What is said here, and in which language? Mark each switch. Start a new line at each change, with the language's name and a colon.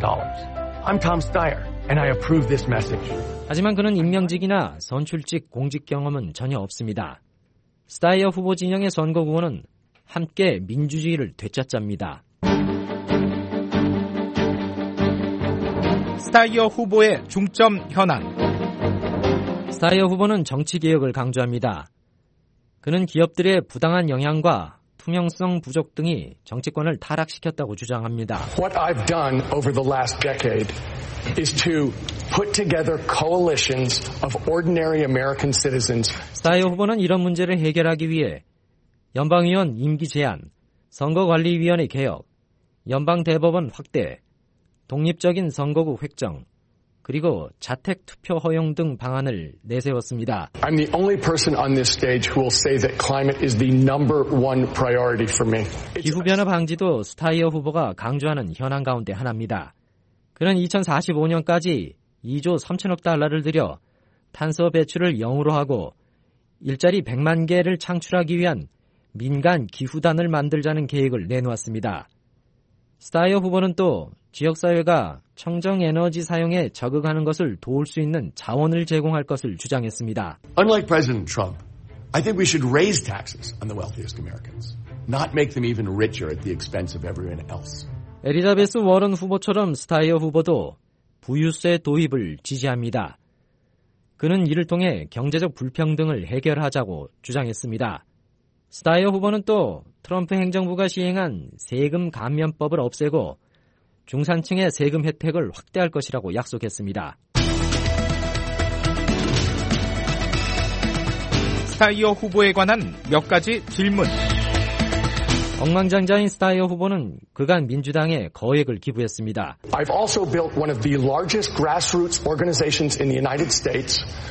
English: I'm Tom Steyer and I approve this message.
Korean: 하지만 그는 임명직이나 선출직 공직 경험은 전혀 없습니다. 스타이어 후보 진영의 선거 구호는 함께 민주주의를 되찾자입니다. 스타이어 후보의 중점 현안. 스타이어 후보는 정치 개혁을 강조합니다. 그는 기업들의 부당한 영향과 투명성 부족 등이 정치권을 타락시켰다고 주장합니다.
English: What I've done over the last decade is to put together coalitions of ordinary American citizens.
Korean: 스타이어 후보는 이런 문제를 해결하기 위해 연방의원 임기 제한, 선거관리위원회 개혁, 연방대법원 확대, 독립적인 선거구 획정, 그리고 자택 투표 허용 등 방안을 내세웠습니다.
English: I'm the only person on this stage who will say that climate is the number one priority for me.
Korean: 기후 변화 방지도 스타이어 후보가 강조하는 현안 가운데 하나입니다. 그는 2045년까지 2조 3천억 달러를 들여 탄소 배출을 0으로 하고 일자리 100만 개를 창출하기 위한 민간 기후단을 만들자는 계획을 내놓았습니다. 스타이어 후보는 또 지역사회가 청정에너지 사용에 적응하는 것을 도울 수 있는 자원을 제공할 것을 주장했습니다.
English: Unlike President Trump, I think we should raise taxes on the wealthiest Americans, not make them even richer at the expense of everyone else.
Korean: 엘리자베스 워런 후보처럼 스타이어 후보도 부유세 도입을 지지합니다. 그는 이를 통해 경제적 불평등을 해결하자고 주장했습니다. 스타이어 후보는 또 트럼프 행정부가 시행한 세금 감면법을 없애고 중산층의 세금 혜택을 확대할 것이라고 약속했습니다. 스타이어 후보에 관한 몇 가지 질문. 억만장자인 스타이어 후보는 그간 민주당에 거액을 기부했습니다.
English: I've also built one of the largest grassroots organizations in the United States.